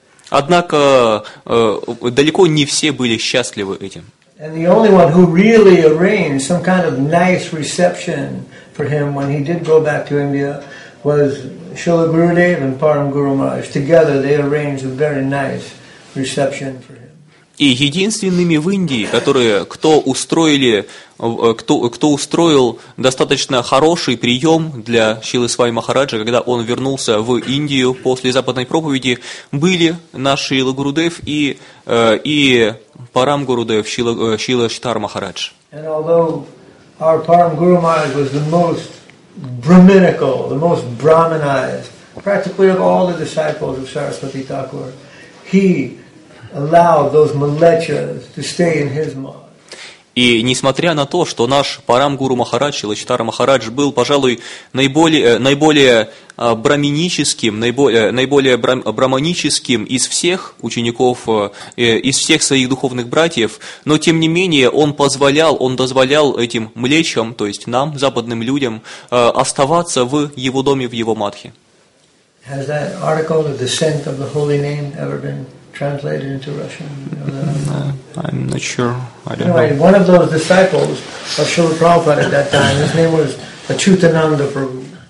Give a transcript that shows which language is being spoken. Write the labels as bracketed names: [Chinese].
[Russian] Однако далеко не все были счастливы этим. [English] And the only one who really arranged some kind of nice reception for him when he did go back to India was Srila Gurudev and Param Guru Maharaj. Together they arranged a very nice reception for him. [Russian] И единственными в Индии, кто устроил достаточно хороший прием для Шрилы Свами Махараджа, когда он вернулся в Индию после западной проповеди, были наш Шрила Гурудев и Парам Гурудев, Шрила Шитар Махарадж. [English] And although our Param Guru Maharaj was the most brahminical, the most brahmanized, practically of all the disciples of Saraswati Thakur, he allowed those malechas to stay in his mind. [Russian] И несмотря на то, что наш Парамгуру Махарадж, Шрила Читара Махарадж, был, пожалуй, наиболее брахманическим из всех учеников, из всех своих духовных братьев, но тем не менее он дозволял этим млечам, то есть нам, западным людям, оставаться в его доме, в его матхе. [English] Has that article, The Descent of the Holy Name, ever been translated into Russian? I'm not sure. Anyway, one of those disciples of Srila Prabhupada at that time, his name was Achyutananda Prabhu.